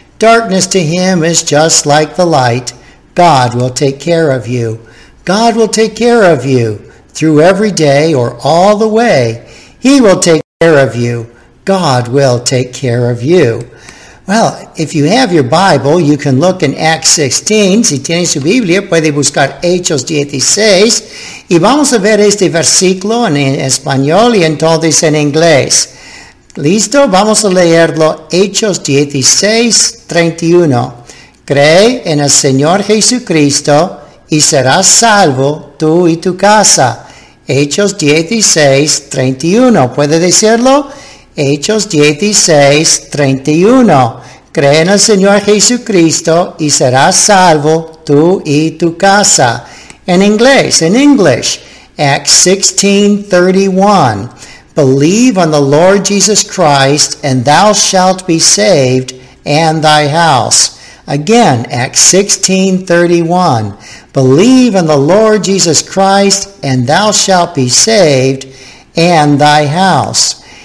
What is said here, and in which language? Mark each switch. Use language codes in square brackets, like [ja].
[en] Darkness to him is just like the light. God will take care of you. God will take care of you through every day or all the way. He will take care of you. God will take care of you. Well, if you have your Bible, you can look in Acts 16. [es] Si tienes su Biblia, puede buscar Hechos 16. Y vamos a ver este versículo en español y entonces en inglés. ¿Listo? Vamos a leerlo. Hechos 16, 31. Cree en el Señor Jesucristo y serás salvo tú y tu casa. Hechos 16, 31. ¿Puede decirlo? Hechos 16, 31. Cree en el Señor Jesucristo y serás salvo tú y tu casa. [en] In English, Acts 16:31. Believe on the Lord Jesus Christ, and thou shalt be saved, and thy house. Again, Acts 16:31. Believe on the Lord Jesus Christ, and thou shalt be saved, and thy house.